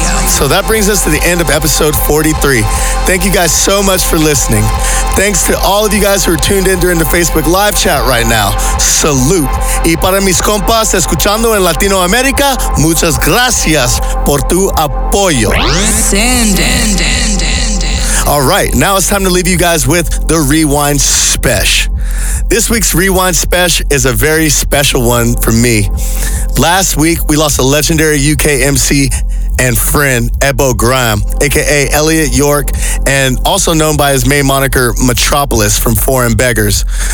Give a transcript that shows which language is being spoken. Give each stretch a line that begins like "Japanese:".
English: So that brings us to the end of episode 43. Thank you guys so much for listening. Thanks to all of you guys who are tuned in during the Facebook live chat right now. Salute.
Spanish: Y para mis compas escuchando en Latinoamérica, muchas gracias por tu apoyo.
English: Send it. All right, now it's time to leave you guys with the Rewind Spesh. This week's Rewind Spesh is a very special one for me. Last week, we lost a legendary UK MC and friend, Ebo Grime, aka Elliot York, and also known by his main moniker, Metropolis from Foreign Beggars.